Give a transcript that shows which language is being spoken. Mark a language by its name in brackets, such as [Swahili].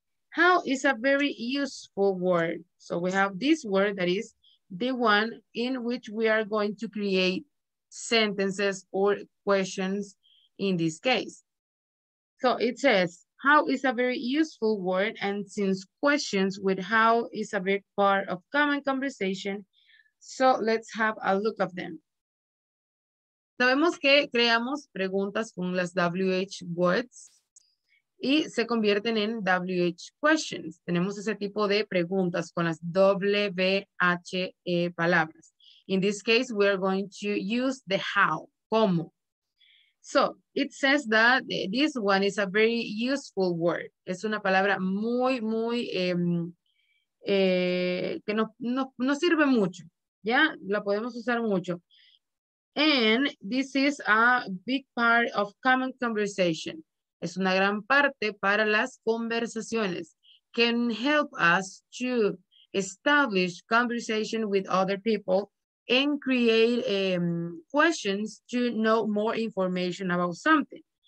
[English] How is a very useful word. So we have this word, that is the one in which we are going to create sentences or questions in this case. So it says, how is a very useful word, and since questions with how is a big part of common conversation, so let's have a look of them. [Spanish] Sabemos que creamos preguntas con las WH words y se convierten en WH questions. Tenemos ese tipo de preguntas con las WH palabras. [English] In this case, we are going to use the how, cómo. So, it says that this one is a very useful word. [Spanish] Es una palabra muy, muy, que no sirve mucho. Ya, la podemos usar mucho. [English] And this is a big part of common conversation. [Spanish] Es una gran parte para las conversaciones. [English] Can help us to establish conversation with other people and create questions to know more information about something.